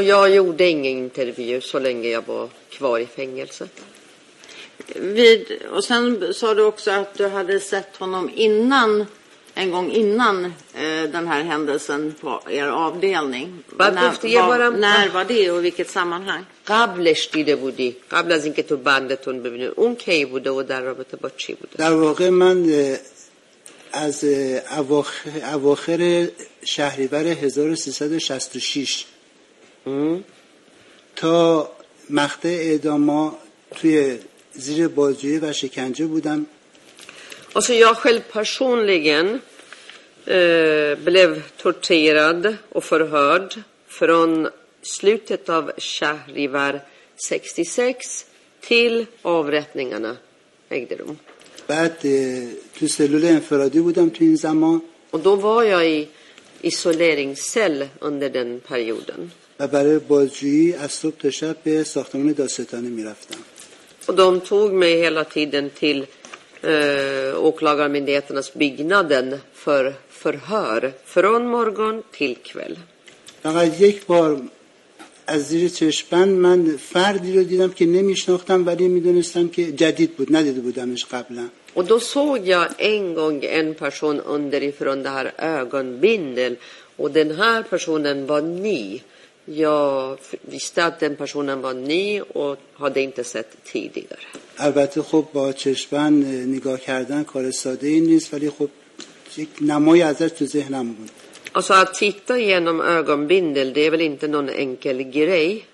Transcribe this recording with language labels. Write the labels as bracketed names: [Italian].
[Swedish] Och jag gjorde ingen intervju så länge jag var kvar i fängelset. Vid och sen sa du också att du hade sett honom innan en gång innan den här händelsen på er avdelning. När var det och vilket sammanhang? [Persian] قبلش دیده بودی قبل از اینکه تو بندتون ببینی اون کی بوده و در رابطه با چی بوده؟ در واقع من از اواخر شهریور 1366 تا مقطع اعدام توی زیر بازجویی و شکنجه بودم. [Swedish] Alltså jag själv personligen blev torterad och förhörd från slutet av Shahrivar 66 till avrättningarna ägde rum. [Persian] بعد تو سلول انفرادی بودم تو این زمان. [Swedish] Och då var jag i isoleringscell under den perioden. [Persian] و برای بازجویی از صبح تا شب به ساختمان دادستانی می‌رفتم. [Swedish] Och de tog mig hela tiden till åklagarmyndigheternas byggnaden för förhör från morgon till kväll. Jag gick bara [Persian] از زیر چشمن من فردی رو دیدم که نمیشناختم ولی میدونستم که جدید بود ندیده بودمش قبلا. و دو [Swedish] såg jag en gång en person underifrån det här ögonbindel och den här personen var ny. Jag visste att den personen var ny och hade inte sett tidigare. [Persian] البته خب با چشمن نگاه کردن کار ساده ای نیست ولی خب یک نمای ازش تو ذهنم بود. [Swedish] Alltså att titta genom ögonbindel, det är väl inte någon enkel grej.